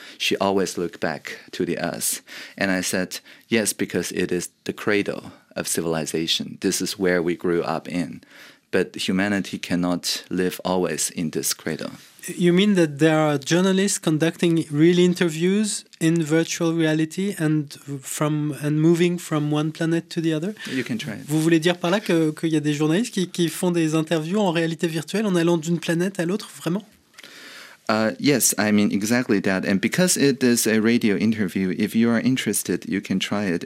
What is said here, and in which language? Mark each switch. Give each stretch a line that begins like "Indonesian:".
English: She always looked back to the us. And I said, yes, because it is the cradle of civilization. This is where we grew up in. But humanity cannot live always in this cradle. You mean that there are journalists conducting real interviews in virtual reality and moving from one planet to the other? You can try it.
French: Vous voulez dire par là qu'il y a des journalistes qui font des interviews en réalité virtuelle en allant d'une planète à l'autre, vraiment?
English: Yes, I mean exactly that. And because it is a radio interview, if you are interested, you can try it.